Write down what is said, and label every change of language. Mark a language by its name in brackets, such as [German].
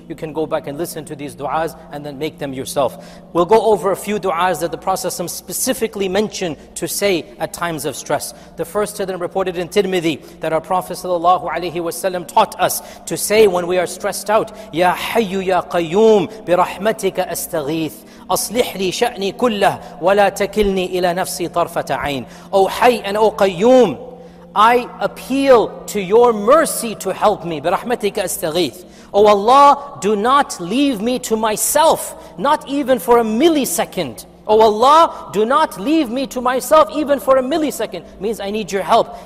[English] You can go back and listen to these du'as and then make them yourself. We'll go over a few du'as that the Prophet specifically mentioned to say at times of stress. The first of them reported in Tirmidhi that our Prophet sallallahu alaihi wasallam taught us to say when we are stressed out, [Arabic] Ya Hayyu Ya Qayyum bi rahmatika astaghith. أصلح لي شأني كله ولا تكلني إلى نفسي طرفة عين. [English] O Hayy and O Qayyum, I appeal to your mercy to help me. [Arabic] برحمتك أستغيث. [English] O Allah, do not leave me to myself, not even for a millisecond. O Allah, do not leave me to myself even for a millisecond. Means I need your help.